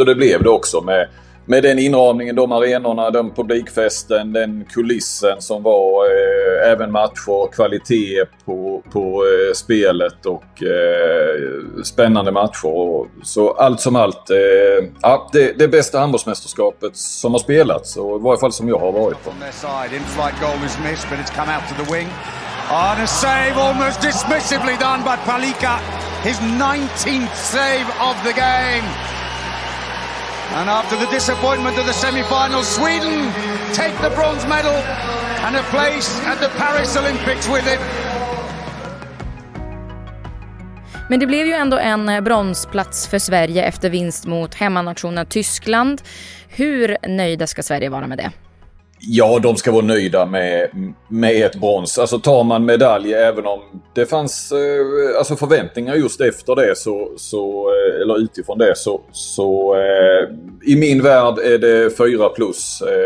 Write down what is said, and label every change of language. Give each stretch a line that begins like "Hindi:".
Swedish: Och det blev det också med den inramningen, de arenorna, den publikfesten, den kulissen som var även match och kvalitet på spelet och spännande matcher. Så allt som allt, det bästa handbollsmästerskapet som har spelats, och i varje fall som jag har varit på.
English: In-flight goal is missed, but it's come out to the wing. On a save almost dismissively done by Palika, his 19th save of the game. And after the disappointment of the semi-final, Sweden take the bronze medal and a place at the Paris Olympics with it.
Swedish: Men det blev ju ändå en bronsplats för Sverige efter vinst mot hemmanationen Tyskland. Hur nöjda ska Sverige vara med det? Ja, de ska vara nöjda med ett brons. Alltså tar man medalj, även om det fanns alltså förväntningar just efter det, eller utifrån det, så i min värld är det 4 plus.